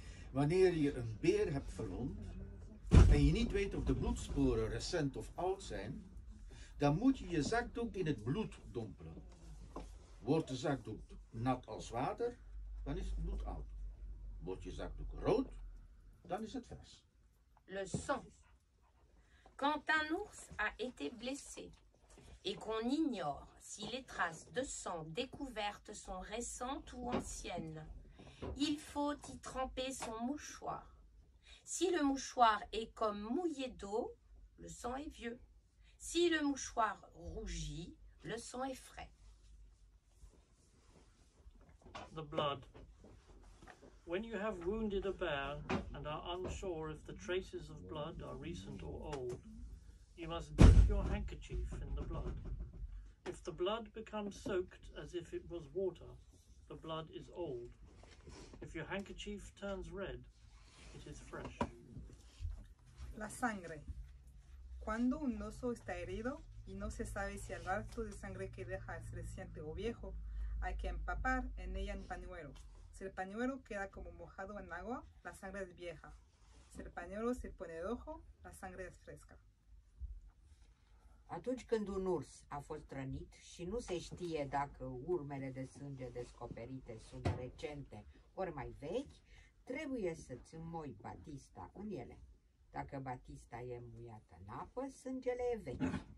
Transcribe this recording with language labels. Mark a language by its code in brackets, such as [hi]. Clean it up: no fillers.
[nl] Wanneer je een beer hebt verwond en je niet weet of de bloedsporen recent of oud zijn, dan moet je je zakdoek in het bloed dompelen. Wordt de zakdoek nat als water, dan is het bloed oud. Wordt je zakdoek rood, dan is het vers. [fr] Le sang. Quand un ours a été blessé et qu'on ignore si les traces de sang découvertes sont récentes ou anciennes, il faut y tremper son mouchoir. Si le mouchoir est comme mouillé d'eau, le sang est vieux. Si le mouchoir rougit, le sang est frais. [en] The blood. When you have wounded a bear and are unsure if the traces of blood are recent or old, you must dip your handkerchief in the blood. If the blood becomes soaked as if it was water, the blood is old. If your handkerchief turns red, it is fresh. [es] La sangre. Cuando un oso está herido y no se sabe si el rastro de sangre que deja es reciente o viejo, hay que empapar en ella un pañuelo. Si el pañuelo queda como mojado en agua, la sangre es vieja. Si el pañuelo se pone rojo, la sangre es fresca. [ro] Atunci când un urs a fost rănit și nu se știe dacă urmele de sânge descoperite sunt recente ori mai vechi, trebuie să-ți înmoi batista în ele. Dacă batista e muiată în apă, sângele e vechi.